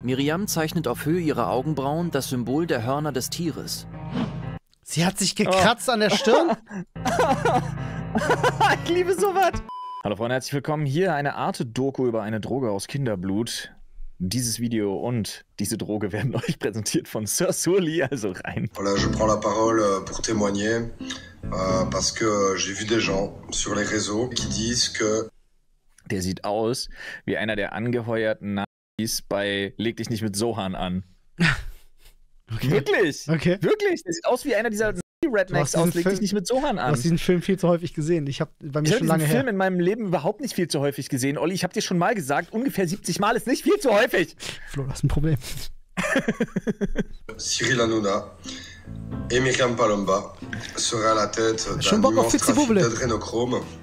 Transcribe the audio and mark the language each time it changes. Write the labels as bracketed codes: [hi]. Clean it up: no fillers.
[de] Miriam zeichnet auf Höhe ihrer Augenbrauen das Symbol der Hörner des Tieres. Sie hat sich gekratzt an der Stirn? Ich liebe sowas. Hallo Freunde, herzlich willkommen. Hier eine Art Doku über eine Droge aus Kinderblut. Dieses Video und diese Droge werden euch präsentiert von Sir Sully, also rein. [fr] Voilà, je prends la parole pour témoigner, parce que j'ai vu des gens sur les réseaux qui disent que... [de] Der sieht aus wie einer der angeheuerten Nazis bei Leg dich nicht mit Sohan an. Okay. Wirklich? Okay. Wirklich? Der sieht aus wie einer dieser Rednecks aus Leg dich nicht mit Sohan an. Du hast diesen Film viel zu häufig gesehen. Ich habe bei mir schon lange her. Ich habe diesen Film in meinem Leben überhaupt nicht viel zu häufig gesehen. Olli, ich habe dir schon mal gesagt, ungefähr 70 Mal ist nicht viel zu häufig. Flo, du hast ein Problem. [fr] Cyril Hanouna et Miriam Palomba seraient à la tête d'un immense trafic d'adrénochrome.